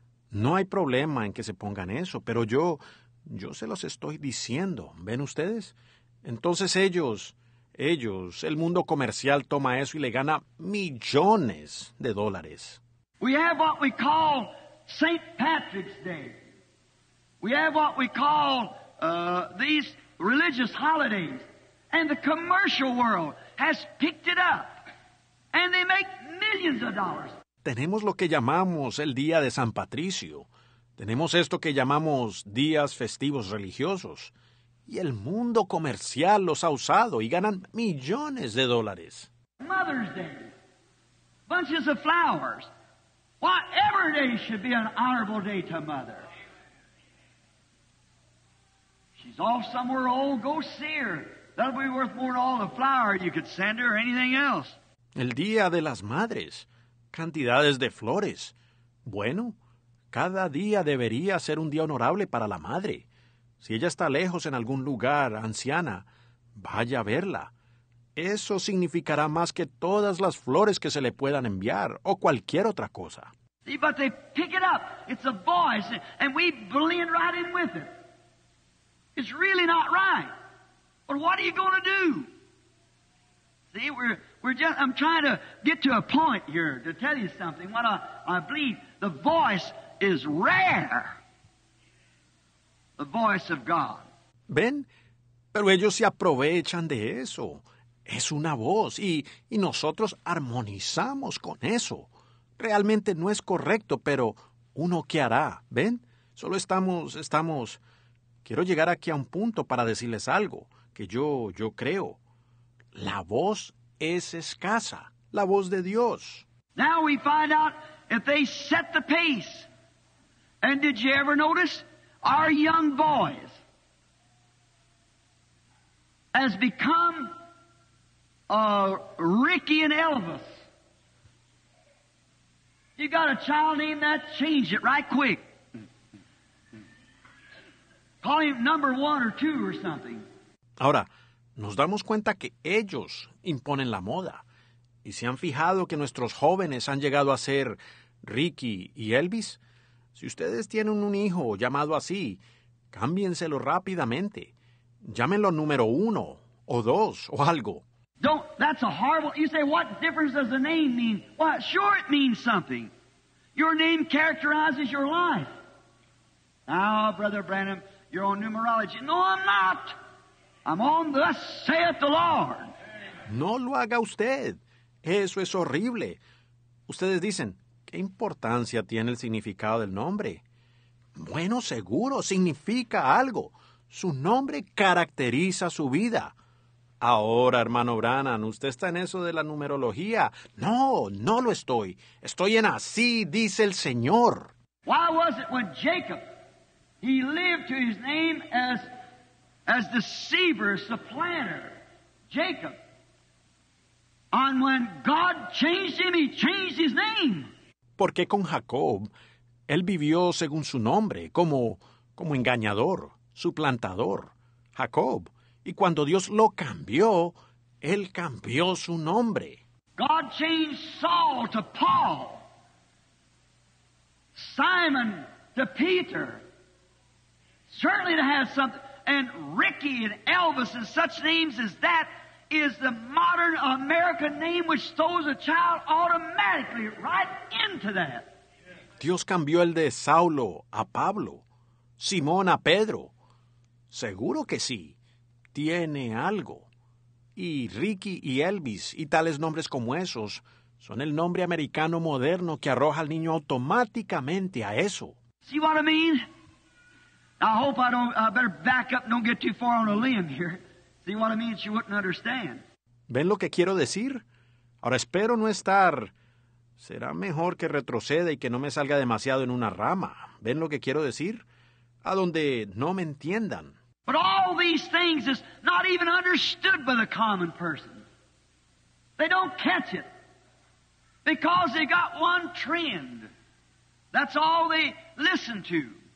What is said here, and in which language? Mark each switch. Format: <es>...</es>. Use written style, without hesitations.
<es>No hay problema en que se pongan eso, pero yo se los estoy diciendo. ¿Ven ustedes? Entonces ellos, el mundo comercial toma eso y le gana millones de dólares.</es> <en>We have what we call St. Patrick's Day. We have what we call these religious holidays. And the commercial world has picked it up. And they make millions of dollars.</en> <es>Tenemos lo que llamamos el Día de San Patricio. Tenemos esto que llamamos días festivos religiosos. Y el mundo comercial los ha usado y ganan millones de dólares.</es> <en>Mother's Day. Bunches of flowers. Whatever day should be an honorable day to mother. She's off somewhere old. Go see her. That'll be worth more than all the flour you could send her or anything else.</en> <es>El Día de las Madres. Cantidades de flores. Bueno, cada día debería ser un día honorable para la madre. Si ella está lejos en algún lugar, anciana, vaya a verla. Eso significará más que todas las flores que se le puedan enviar o cualquier otra cosa.</es> <en>See, but they pick it up. It's a voice, and we blend right in with it. It's really not right. But what are you going to do? See, I'm trying to get to a point here to tell you something. What I believe, the voice is rare. The voice of God.</en> <es>Ven, pero ellos se aprovechan de eso. Es una voz y nosotros armonizamos con eso. Realmente no es correcto, pero uno qué hará, ¿ven? Solo estamos... Quiero llegar aquí a un punto para decirles algo que yo creo. La voz es escasa, la voz de Dios.</es> <en>Now we find out if they set the pace. And did you ever notice our young boys has become Ricky and Elvis? You got a child named that, change it right quick. Call him number one or two or something.</en> <es>Ahora, nos damos cuenta que ellos imponen la moda. ¿Y se han fijado que nuestros jóvenes han llegado a ser Ricky y Elvis? Si ustedes tienen un hijo llamado así, cámbienselo rápidamente. Llámenlo número uno o dos o algo.</es> <en>Don't, that's a horrible... You say, what difference does the name mean? Well, sure it means something. Your name characterizes your life. Now, Brother Branham... You're on numerology. No, I'm not. I'm on Thus Saith the Lord.</en> <es>No lo haga usted. Eso es horrible. Ustedes dicen, ¿qué importancia tiene el significado del nombre? Bueno, seguro, significa algo. Su nombre caracteriza su vida. Ahora, hermano Branham, usted está en eso de la numerología. No, no lo estoy. Estoy en Así Dice el Señor.</es> <en>Why was it when Jacob... He lived to his name as deceiver, supplanter, Jacob. And when God changed him, he changed his name.</en> <es>¿Por qué con Jacob? Él vivió según su nombre, como engañador, suplantador, Jacob. Y cuando Dios lo cambió, él cambió su nombre.</es> <en>God changed Saul to Paul, Simon to Peter. Certainly it has something. and Ricky and Elvis and such names as that is the modern American name which throws a child automatically right into that.</en> <es>Dios cambió el de Saulo a Pablo, Simón a Pedro. Seguro que sí, tiene algo. Y Ricky y Elvis y tales nombres como esos son el nombre americano moderno que arroja al niño automáticamente a eso.</es> <en>See what I mean? I hope I don't, I better back up and don't get too far on a limb here. See what I mean? She wouldn't understand.</en> <es>¿Ven lo que quiero decir? Ahora espero no estar... Será mejor que retroceda y que no me salga demasiado en una rama. ¿Ven lo que quiero decir? A donde no me entiendan.</es> <en>But all these things is not even understood by the common person. They don't catch it. Because they got one trend. That's all they listen to.</en>